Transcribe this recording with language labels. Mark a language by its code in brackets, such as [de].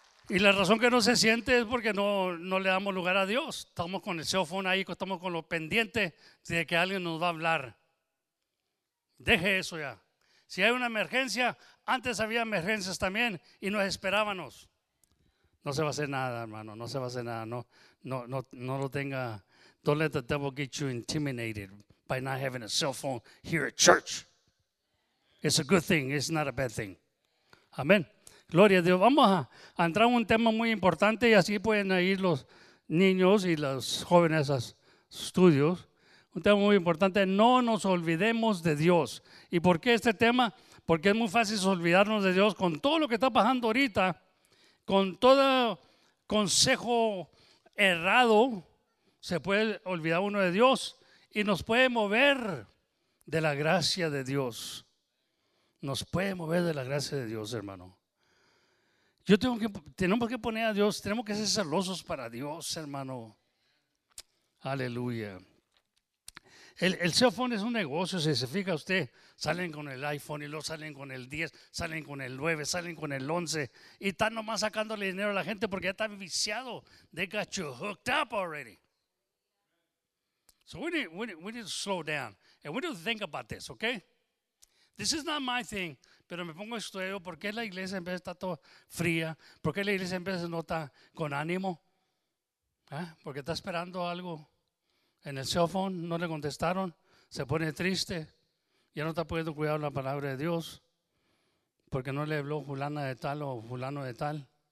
[es] Y la razón que no se siente es porque no le damos lugar a Dios. Estamos con el cellphone ahí, estamos con lo pendiente de que alguien nos va a hablar. Deje eso ya. Si hay una emergencia, antes había emergencias también y nos esperábamos. No se va a hacer nada, hermano, no se va a hacer nada. No lo tenga. [en] Don't let the devil get you intimidated by not having a cell phone here at church. It's a good thing, it's not a bad thing. [es] Amén. Gloria a Dios. Vamos a entrar en un tema muy importante y así pueden ir los niños y los jóvenes a sus estudios. Un tema muy importante, no nos olvidemos de Dios. ¿Y por qué este tema? Porque es muy fácil olvidarnos de Dios con todo lo que está pasando ahorita, con todo consejo errado, se puede olvidar uno de Dios y nos puede mover de la gracia de Dios. Nos puede mover de la gracia de Dios, hermano. Tenemos que poner a Dios, tenemos que ser celosos para Dios, hermano. Aleluya. El cellphone es un negocio, si se fija usted, salen con el iPhone y luego salen con el 10, salen con el 9, salen con el 11 y están nomás sacándole dinero a la gente porque ya están viciados. [en] They got you hooked up already. So we need to slow down and we need to think about this, okay? This is not my thing, [es] pero me pongo a estudiar por qué la iglesia en vez de estar toda fría, por qué la iglesia en vez de no estar con ánimo, porque está esperando algo. En el cellphone no le contestaron, se pone triste, ya no está pudiendo cuidar la palabra de Dios, porque no le habló fulana de tal o fulano de tal.